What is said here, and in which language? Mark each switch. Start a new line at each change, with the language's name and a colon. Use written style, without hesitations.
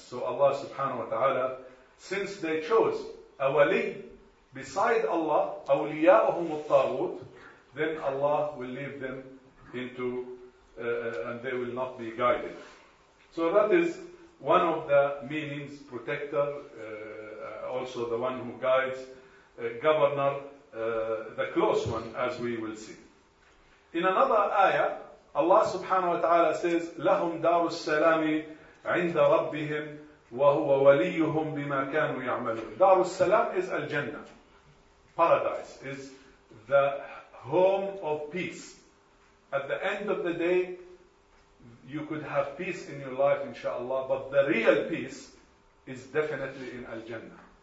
English: So Allah subhanahu wa ta'ala, since they chose a wali beside Allah,
Arabic: awliya'uhum al-taghut,
English: then Allah will lead them into, and they will not be guided. So that is one of the meanings, protector, also the one who guides, governor, the close one, as we will see. In another ayah, Allah subhanahu wa ta'ala says,
Arabic: لَهُمْ دَارُ السَّلَامِ عِنْدَ رَبِّهِمْ وَهُوَ وَلِيُّهُمْ بِمَا كَانُوا يَعْمَلُونَ.
English: دَارُ السَّلَامِ is al-Jannah. Paradise is the home of peace. At the end of the day, you could have peace in your life, inshallah, but the real peace is definitely in al-Jannah.